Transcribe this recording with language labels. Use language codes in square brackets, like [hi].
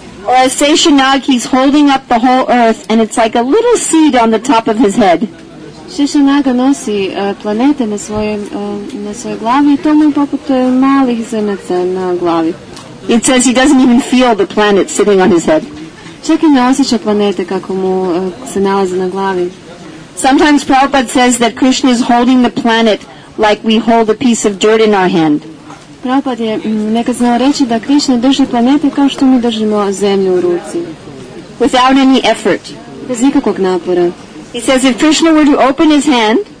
[en] Or as Seshanag, he's holding up the whole earth and it's like a little seed on the top of his head. [hr] Šešanaga nosi planete na svojoj glavi I to mu poput malih zrnaca na glavi. [en] It says he doesn't even feel the planet sitting on his head. [hr] Čak I ne osjeća planete kako mu se nalaze na glavi. [en] Sometimes Prabhupada says that Krishna is holding the planet like we hold a piece of dirt in our hand. [hr] Prabhupada je nekad znao reći da Krishna drži planete kao što mi držimo zemlju u ruci. [en] Without any effort. [hr] Bez ikakvog napora. [en] He says if Krishna were to open his hand,